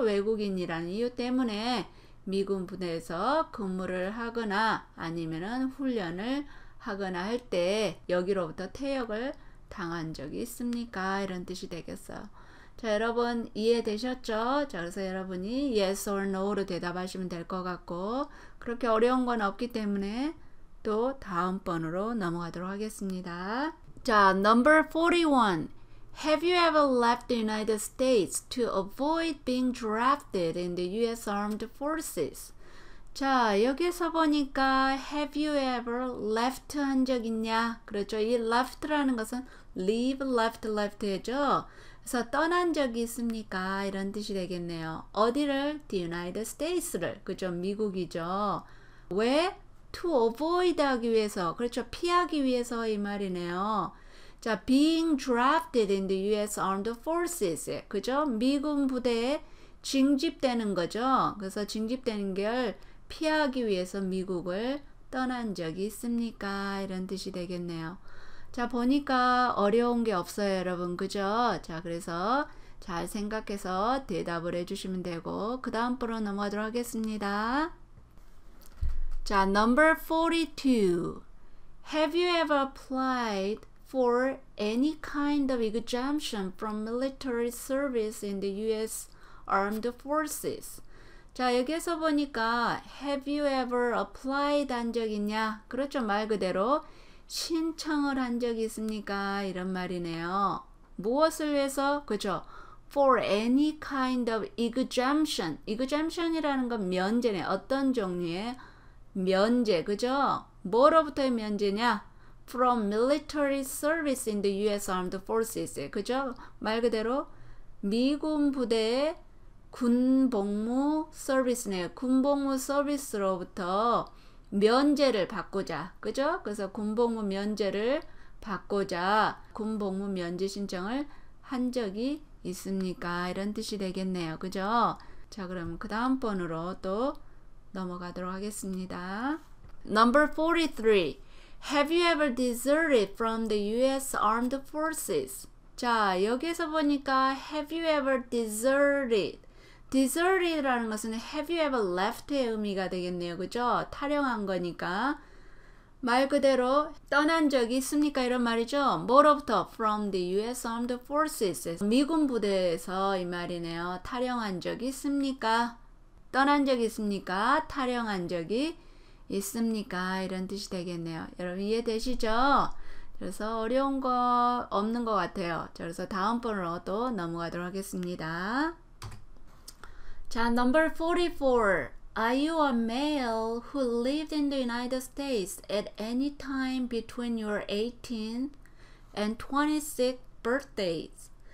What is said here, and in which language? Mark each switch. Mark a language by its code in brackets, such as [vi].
[ko] 외국인이라는 이유 때문에 미군 부대에서 근무를 하거나 아니면은 훈련을 하거나 할 때 여기로부터 퇴역을 당한 적이 있습니까? 이런 뜻이 되겠어요. 자, 여러분 이해되셨죠? 자, 그래서 여러분이 [en] yes or no [ko] 로 대답하시면 될 것 같고 그렇게 어려운 건 없기 때문에 또 다음번으로 넘어가도록 하겠습니다. 자, [en] number 41. Have you ever left the United States to avoid being drafted in the US Armed Forces? [ko] 자, 여기서 보니까 [en] have you ever left [ko] 한 적 있냐? 그렇죠, 이 left라는 것은 leave, left, left죠? 그래서 떠난 적이 있습니까? 이런 뜻이 되겠네요. 어디를? [en] The United States [ko] 를. 그죠? 미국이죠. 왜? [en] To avoid [ko] 하기 위해서. 그렇죠? 피하기 위해서 이 말이네요. 자, [en] being drafted in the US Armed Forces. [ko] 그죠? 미군 부대에 징집되는 거죠. 그래서 징집되는 걸 피하기 위해서 미국을 떠난 적이 있습니까? 이런 뜻이 되겠네요. 자, 보니까 어려운 게 없어요, 여러분. 그죠? 자, 그래서 잘 생각해서 대답을 해주시면 되고 그 다음번으로 넘어가도록 하겠습니다. 자, [en] number 42. Have you ever applied for any kind of exemption from military service in the U.S. Armed Forces? 자, 여기서 보니까 Have you ever applied 한 적 있냐? [ko] 그렇죠, 말 그대로. 신청을 한 적이 있습니까? 이런 말이네요. 무엇을 위해서? 그죠? [en] For any kind of exemption. Exemption이라는 [ko] 건 면제네. 어떤 종류의 면제. 그죠? 뭐로부터의 면제냐? [en] From military service in the US Armed Forces. [ko] 그죠? 말 그대로 미군 부대의 군복무 서비스네요. 군복무 서비스로부터 면제를 받고자, 그죠? 그래서 군복무 면제를 받고자 군복무 면제 신청을 한 적이 있습니까? 이런 뜻이 되겠네요, 그죠? 자, 그럼 그 다음번으로 또 넘어가도록 하겠습니다. [en] Number 43. Have you ever deserted from the U.S. Armed Forces? [ko] 자, 여기에서 보니까 [en] Have you ever deserted? [ko] Deserted라는 것은 [en] Have you ever left [ko] 의 의미가 되겠네요. 그죠? 탈영한 거니까 말 그대로 떠난 적이 있습니까? 이런 말이죠. 뭐로부터? [en] From the US Armed Forces. [ko] 미군 부대에서 이 말이네요. 탈영한 적이 있습니까? 떠난 적이 있습니까? 탈영한 적이 있습니까? 이런 뜻이 되겠네요. 여러분 이해되시죠? 그래서 어려운 거 없는 것 같아요. 그래서 다음번으로 또 넘어가도록 하겠습니다. 자, [en] number 44. Are you a male who lived in the United States at any time between your 18th and 26th birthdays?